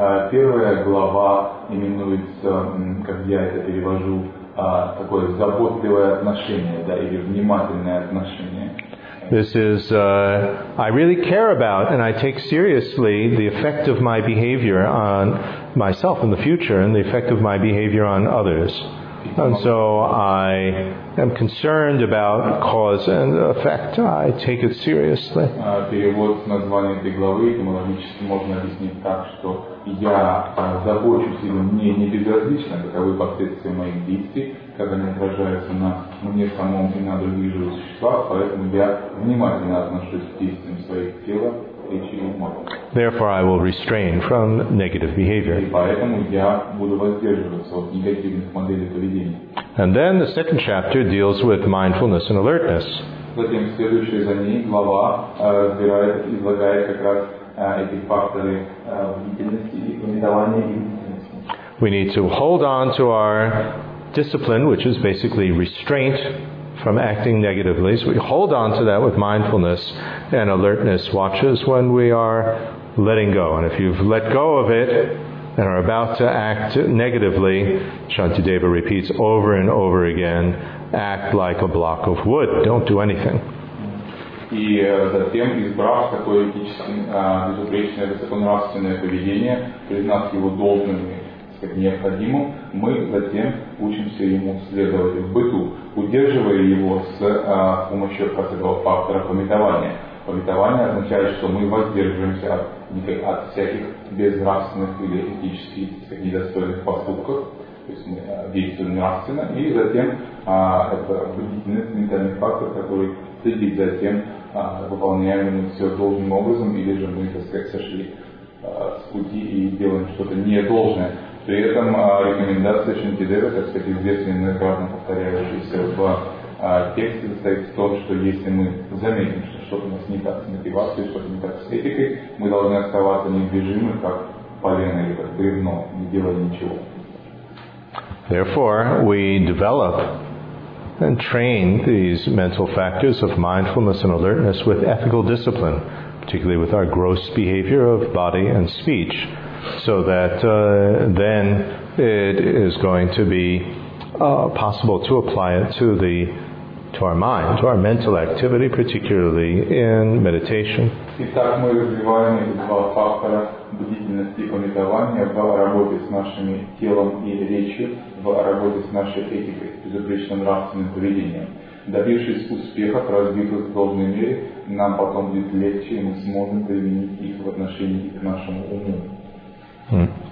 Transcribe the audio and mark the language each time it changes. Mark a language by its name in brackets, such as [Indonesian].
[Russian] Первая глава именуется, как я это перевожу, такое заботливое отношение, да, или внимательное отношение. [English] This is I really care about and I take seriously the effect of my behavior on myself in the future and the effect of my behavior on others. And so I am concerned about cause and effect. I take it seriously. [Russian] Перевод названия этой главы этимологически можно объяснить так, что я забочусь, или мне не безразлично, каковы последствия моих действий, как они отражаются на мне самом и на других живых существах, поэтому я внимательно отношусь к действиям своих тела, речи и ума. [English] Therefore, I will restrain from negative behavior. [Russian] И поэтому я буду воздерживаться от негативных моделей поведения. [English] And then the second chapter deals with mindfulness and alertness. [Russian] Затем следующая за ней глава разбирает, излагает как раз эти факторы бдительности и внимания и бдительности. [English] We need to hold on to our discipline, which is basically restraint from acting negatively. So we hold on to that with mindfulness and alertness watches when we are letting go. And if you've let go of it and are about to act negatively, Shantideva repeats over and over again, act like a block of wood. Don't do anything. [Russian] И затем, избрав такое этическое, безупречное, высоконравственное поведение, признав его должным и как необходимым, мы затем учимся ему следовать в быту, удерживая его с помощью этого фактора памятования. Памятование означает, что мы воздерживаемся от всяких безнравственных или этически недостойных поступков, то есть мы действуем нравственно, и затем это бдительность, ментальный фактор, который следит за тем, выполняем мы все должным образом, или же мы, так сказать, сошли с пути и делаем что-то недолжное. При этом рекомендация Шантидевы, так сказать, известная, многократно повторяющаяся в тексте, состоит в том, что если мы заметим, что что-то у нас не так с мотивацией, что-то не так с этикой, мы должны оставаться недвижимы, как полено или как бревно, не делая ничего. [English] Therefore, we develop and train these mental factors of mindfulness and alertness with ethical discipline, particularly with our gross behavior of body and speech, so that then it is going to be possible to apply it to our mind, to our mental activity, particularly in meditation. [Russian] Итак, мы развиваем эти два фактора бдительности умитования в работе с нашим телом и речью, в работе с нашей этикой, безупречным нравственным поведением. Добившись успехов, развитых в должной мере, нам потом будет легче, и мы сможем применить их в отношении к нашему уму.